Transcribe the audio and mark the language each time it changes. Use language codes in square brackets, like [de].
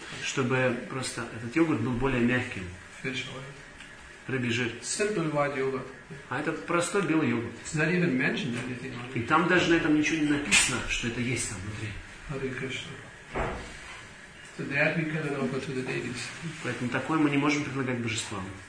[ru] Чтобы просто этот йогурт был более мягким. [en] Fish oil. [ru] Рыбий жир. [en] Simple white yogurt. [ru] А это простой белый йогурт. [en] It's not even mentioned anything on [ru] it. И там даже на этом ничего не написано, что это есть там внутри. [en] Hare Krishna. So that we cannot offer to the deities. [ru] Поэтому такое мы не можем предлагать божествам.